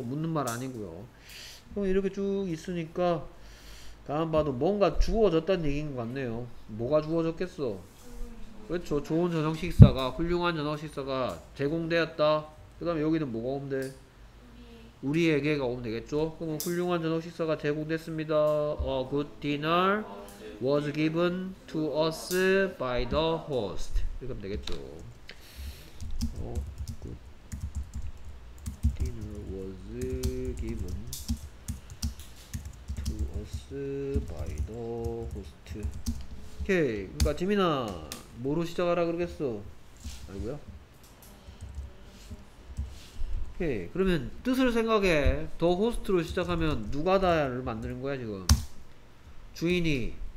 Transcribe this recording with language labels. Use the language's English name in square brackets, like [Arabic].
[Korean] 묻는 말 아니고요. 그럼 이렇게 쭉 있으니까 다음 봐도 뭔가 주어졌단 얘기인 것 같네요. 뭐가 주어졌겠어? 그렇죠. 좋은 저녁 식사가, 훌륭한 저녁 식사가 제공되었다. 그 다음에 여기는 뭐가 오면 돼? 우리에게가 오면 되겠죠? 그럼 훌륭한 저녁 식사가 제공됐습니다. [English] A good dinner was given to us by the host. [Korean] 이렇게 하면 되겠죠. [English] A good dinner was given to us by the host. [Korean] 오케이. 그러니까 지민아 뭐로 시작하라 그러겠어? 아이고야. 오케이. 그러면 뜻을 생각해. 더 호스트로 시작하면 누가다를 만드는 거야 지금. 주인이.